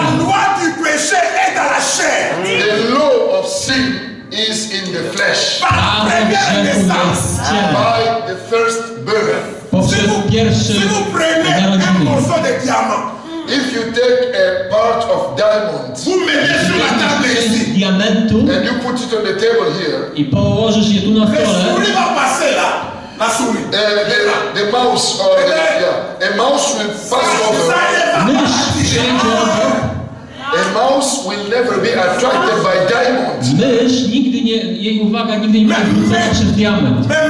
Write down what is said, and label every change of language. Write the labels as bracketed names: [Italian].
[French] La loi du péché est dans la chair. [English] The law of sin is in the flesh. By the first birth. [Polish] Poprzez pierwszy narodziny. [English] If you take a part of diamond, [Polish] diamentu, [English] and you put it on the table here, [Polish] i położysz je tu na stole, [English] the mouse or a mouse will pass over. A mouse will never be attracted by diamond. [Polish] Mysz nigdy nie, jej uwaga nigdy nie będzie zwrócona przez diament.